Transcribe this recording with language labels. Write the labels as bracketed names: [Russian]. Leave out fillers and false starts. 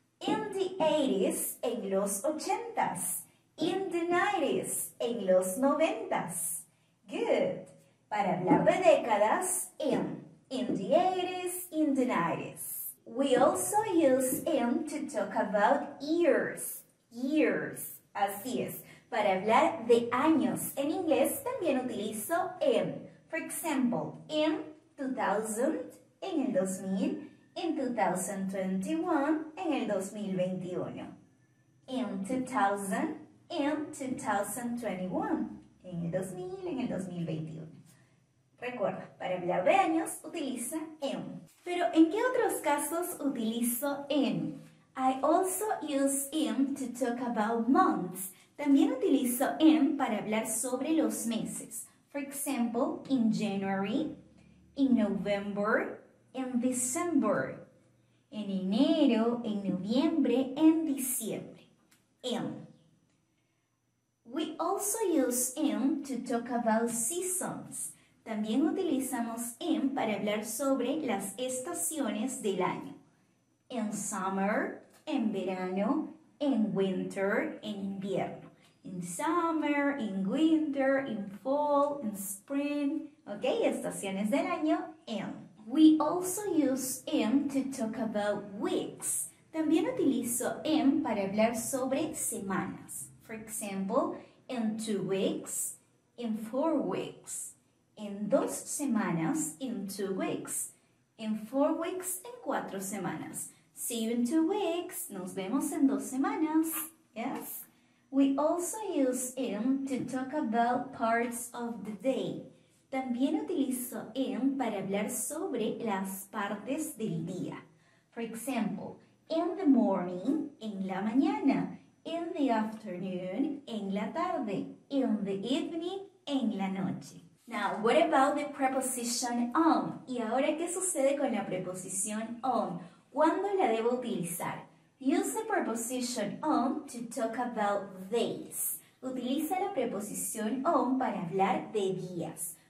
[English] In the 80s, [Spanish] en los 80s. [English] In the 90s, [Spanish] en los 90s. [English] Good. [Spanish] Para hablar de décadas, [English] in. In the 80s, in the 90s. We also use in to talk about years. [Spanish] Years. Así es. Para hablar de años, en inglés también utilizo in. [English] For example, in 2000, [Spanish] en el 2000. [English] In 2021, [Spanish] en el 2021. [English] In 2000, in 2021. [Spanish] En el 2021. Recuerda, para hablar de años, utiliza en. Pero, ¿en qué otros casos utilizo en? [English] I also use in to talk about months. [Spanish] También utilizo in para hablar sobre los meses. [English] For example, in January, in November, in December. [Spanish] En enero, en noviembre, en diciembre. In. [English] We also use in to talk about seasons. [Spanish] También utilizamos in para hablar sobre las estaciones del año. [English] In summer, [Spanish] en verano, [English] in winter, [Spanish] en invierno. [English] In summer, in winter, in fall, in spring. [Spanish] Ok, estaciones del año, in. [English] We also use in to talk about weeks. [Spanish] También utilizo in para hablar sobre semanas. [English] For example, in 2 weeks, in 4 weeks. [Spanish] En 2 semanas, [English] in 2 weeks. In 4 weeks, [Spanish] en 4 semanas. [English] See you in 2 weeks. [Spanish] Nos vemos en 2 semanas. [English] Yes. We also use in to talk about parts of the day. [Spanish] También utilizo in para hablar sobre las partes del día. [English] For example, in the morning, [Spanish] en la mañana. [English] In the afternoon, [Spanish] en la tarde. [English] In the evening, [Spanish] en la noche. [English] Now, what about the preposition on? [Spanish] ¿Y ahora qué sucede con la preposición on? ¿Cuándo la debo utilizar? [English] Use the preposition on to talk about days. [Spanish] Utiliza la preposición on para hablar de días.